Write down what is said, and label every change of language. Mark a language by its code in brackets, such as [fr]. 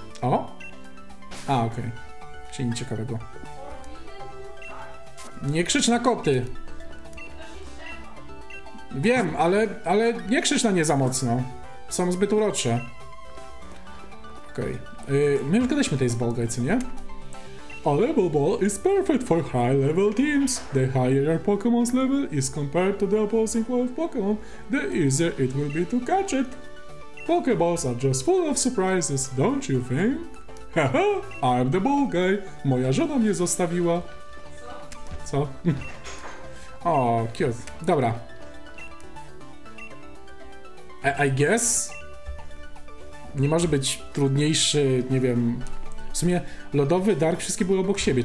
[pl] O! A, okej. Okay. Czyli nic ciekawego. Nie krzycz na koty! Wiem, ale nie krzycz na nie za mocno. Są zbyt urocze. Okej. Okay. My już gadaliśmy tutaj z Ballgajcy, nie? [en] A level ball is perfect for high level teams. The higher your Pokemon's level is compared to the opposing level Pokemon, the easier it will be to catch it. Pokeballs are just full of surprises, don't you think? Haha, I'm the ball guy. [pl] Moja żona mnie zostawiła. Co? Co? O, [en] cute. [pl] Dobra. [en] I guess? [pl] Nie może być trudniejszy, nie wiem... W sumie lodowy, dark, wszystkie były obok siebie.